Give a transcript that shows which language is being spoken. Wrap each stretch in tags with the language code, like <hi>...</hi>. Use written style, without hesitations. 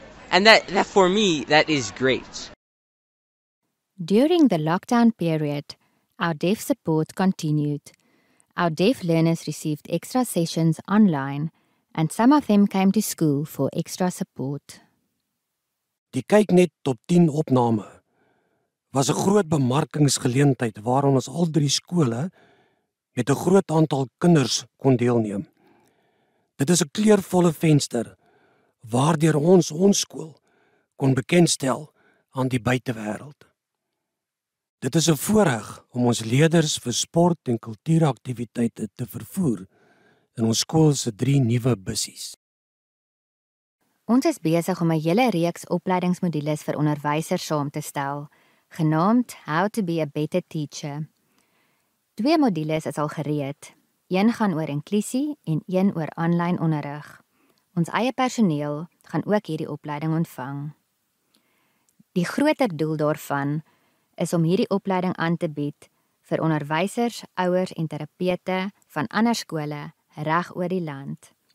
<en>And that for me, that is great. During the lockdown period, our deaf support continued. Our deaf learners received extra sessions online, and some of them came to school for extra support.</en> <af>Die kyk net tot 10 opname was 'n groot bemarkingsgeleentheid waaraan ons al drie skole met 'n groot aantal kinders kon deelneem. Dit is 'n kleurvolle venster waardeur ons skool kon bekendstel aan die buitewêreld. Dit is 'n voorreg om ons leerders vir sport en kultuuraktiwiteite te vervoer in ons skool se drie nuwe bussies. Ons is besig om 'n hele reeks opleidingsmodules vir onderwysers saam te stel, genaamd How to be a better teacher. Twee modules is al gereed. Een gaan oor inklusie en een oor online onderrig. Ons eie personeel gaan ook hierdie opleiding ontvang. Die groter doel daarvan is om hierdie opleiding aan te bied vir onderwysers, ouers en terapeute van ander skole reg oor die land.</af>